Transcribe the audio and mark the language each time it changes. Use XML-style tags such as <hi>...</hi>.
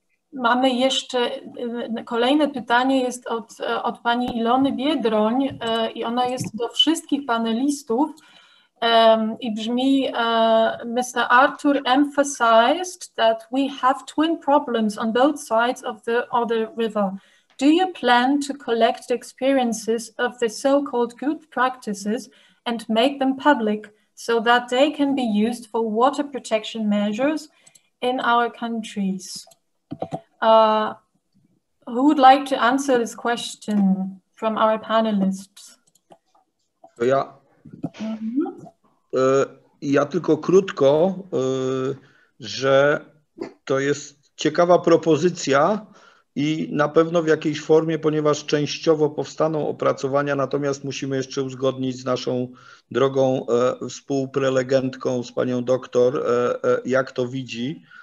<pl>Mamy jeszcze kolejne pytanie, jest od pani Ilony Biedroń i ona jest do wszystkich panelistów i brzmi: Mr.</pl> <en>Arthur emphasized that we have twin problems on both sides of the Oder River. Do you plan to collect experiences of the so-called good practices and make them public so that they can be used for water protection measures in our countries? Who would like to answer this question from our panelists?</en> <pl>Ja. Mhm. Ja tylko krótko, że to jest ciekawa propozycja i na pewno w jakiejś formie, ponieważ częściowo powstaną opracowania, natomiast musimy jeszcze uzgodnić z naszą drogą współprelegentką, z panią doktor, jak to widzi.</pl>